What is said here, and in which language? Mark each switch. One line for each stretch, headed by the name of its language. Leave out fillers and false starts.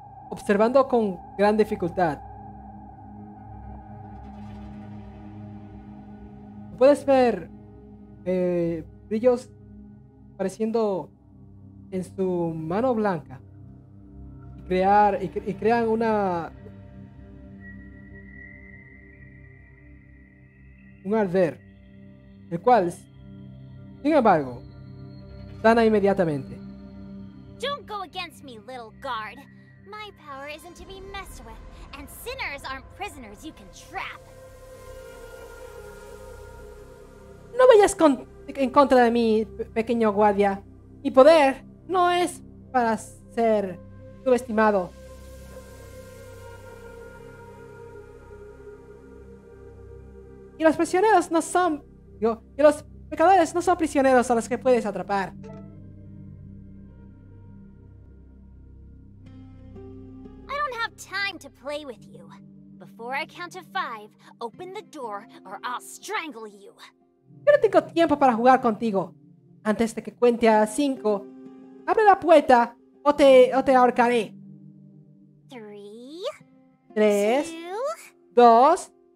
Spanish: Observando con gran dificultad, puedes ver brillos apareciendo en su mano blanca y crean un arder, el cual, sin embargo, sana inmediatamente.
English: Don't go against me, little guard. My power isn't to be messed with, and sinners aren't prisoners you can trap.
Spanish: No vayas en contra de mí, pequeño guardia. Mi poder no es para ser subestimado. Y los prisioneros no son... y los pecadores no son prisioneros a los que puedes atrapar.
English: I don't have time to play with you. Before I count to five, open the door or I'll strangle you.
Spanish: Yo no tengo tiempo para jugar contigo. Antes de que cuente a cinco, abre la puerta o te ahorcaré. Tres. Dos.